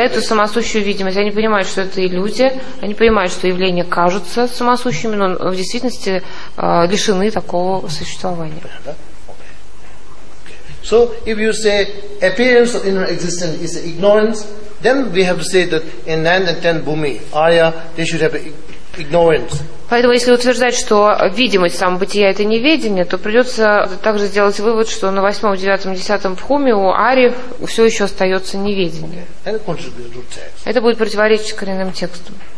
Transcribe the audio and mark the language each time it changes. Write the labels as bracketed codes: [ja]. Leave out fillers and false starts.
[ru] эту самосущую видимость. Они понимают, что это иллюзия. Они понимают, что явления кажутся самосущими, но в действительности лишены такого существования. [en] So if you say appearance of inner existence is ignorance, then we have to say that in 9 and 10 bhumi, Arya, they should have ignorance. [ru] Поэтому, если утверждать, что видимость самобытия – это неведение, то придется также сделать вывод, что на восьмом, девятом, десятом пхуме у Ари все еще остается неведение. Это будет противоречить коренным текстам.